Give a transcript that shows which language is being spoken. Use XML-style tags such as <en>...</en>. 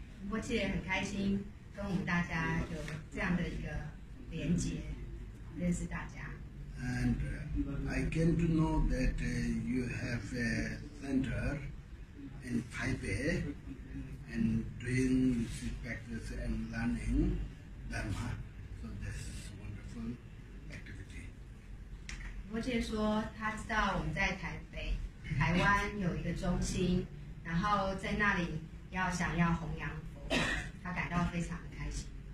<zh>我其实很开心跟我们大家有这样的一个连接，认识大家。</zh> <en>And I came to know that you have a center in Taipei and doing practice and learning Dharma. So this is a wonderful activity.</en> <zh>我姐说她知道我们在台北台湾有一个中心，然后在那里要想要弘扬佛法，她感到非常的开心。</zh>